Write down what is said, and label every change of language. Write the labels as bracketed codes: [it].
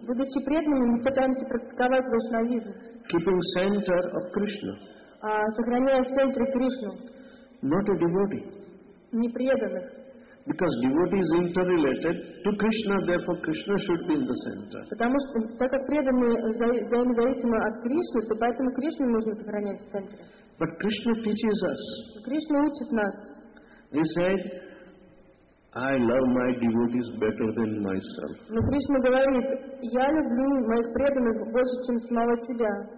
[ru] Будучи преданными, мы пытаемся практиковать Вайшнавизм. [en] Keeping center of Krishna. [ru] Сохраняя в центре Кришну. [en] Not a devotee. [ru] Непреданных. [en] Because devotee is interrelated to Krishna, therefore Krishna should be in the center. [ru] Потому что так как преданные взаимозависимы от Кришны, то поэтому Кришну нужно сохранять в центре. [en] But Krishna teaches us. [ru] Кришна учит нас. [en] He said, I love my devotees better than myself. [ru] Но Кришна говорит, я люблю моих преданных больше, чем самого себя.